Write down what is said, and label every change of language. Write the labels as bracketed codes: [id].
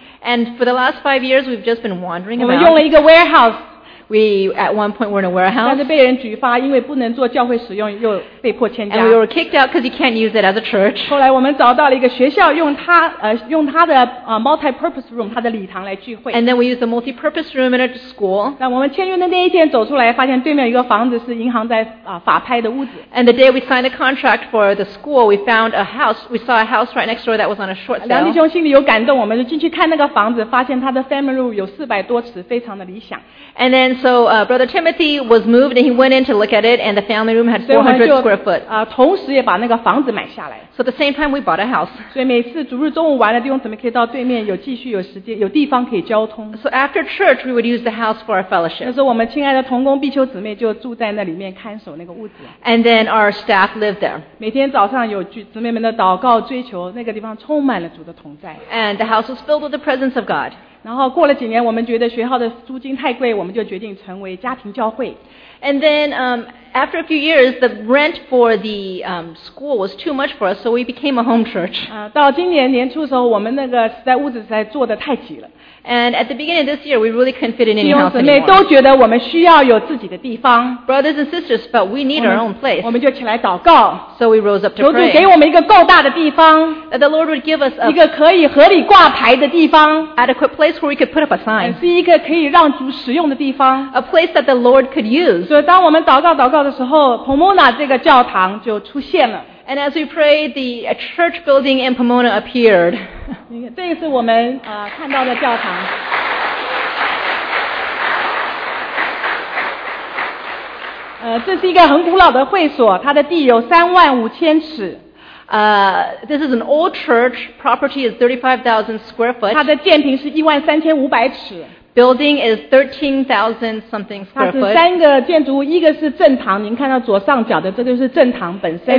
[en] And for the last 5 years, we've just been wandering about. [zh] 我们用了一个 warehouse. [en] We at one point were in a warehouse. [zh] 但是被人举发，因为不能做教会使用，又被迫迁家。 [en] And we were kicked out because you can't use it as a church. [zh] 后来我们找到了一个学校，用它的 multi-purpose room， 它的礼堂来聚会。 [en] And then we used the multi-purpose room in a school. [zh] 那我们签约的那一天走出来，发现对面有一个房子是银行在法拍的屋子。 [en] And the day we signed the contract for the school, we found a house. We saw a house right next door that was on a short sale. [zh] 梁弟兄心里有感动，我们就进去看那个房子，发现他的 family room 有400多尺，非常的理想。 [en] And then. So Brother Timothy was moved and he went in to look at it and the family room had 400 square foot. [zh] 同时也把那个房子买下来。 [en] So at the same time we bought a house. [zh] 所以每次主日中午完了，弟兄姊妹可以到对面有继续有时间有地方可以交通。 [en] So after church we would use the house for our fellowship. [zh] 那时候我们亲爱的同工碧秋姊妹就住在那里面看守那个屋子。 [en] And then our staff lived there. [zh] 每天早上有姊妹们的祷告追求，那个地方充满了主的同在。 [en] And the house was filled with the presence of God. [zh] 然后过了几年，我们觉得学校的租金太贵，我们就决定成为家庭教会。 [en] And then, after a few years, the rent for the school was too much for us, so we became a home church. [zh] 到今年年初的时候，我们那个实在屋子实在坐得太挤了。 [en] And at the beginning of this year, we really couldn't fit in any house anymore. [zh] 弟兄姊妹都觉得我们需要有自己的地方。 [en] Brothers and sisters, but we need our own place. [zh] 我们就起来祷告。 [en] So we rose up to pray. [zh] 求主给我们一个够大的地方。 [en] That the Lord would give us a [zh] 一个可以合理挂牌的地方。 [en] Adequate place where we could put up a sign. [zh] 是一个可以让主使用的地方。 [en] A place that the Lord could use. [zh] 所以当我们祷告的时候 ，Pomona 这个教堂就出现了。 [en] And as we prayed, the church building in Pomona appeared. [zh] 这个是我们看到的教堂。这是一个很古老的会所，它的地有35,000尺。 [en] This is an old church. Property is 35,000 square foot. [zh] 它的建坪是13,500尺。 [en] Building is 13,000 something square foot. [zh] 它是三个建筑物，一个是正堂，您看到左上角的，这就是正堂本身。